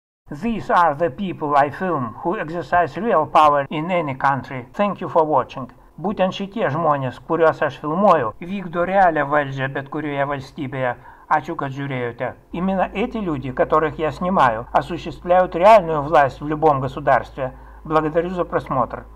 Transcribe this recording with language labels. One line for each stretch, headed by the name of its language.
English: These are the people I film who exercise real power in any country. Thank you for watching.
Lithuanian: Būtent šitie žmonės, kuriuos aš filmuoju, vykdo realią valdžią bet kurioje valstybėje. Ačiū, kad žiūrėjote.
Russian: Именно эти люди, которых я снимаю, осуществляют реальную власть в любом государстве. Благодарю за просмотр.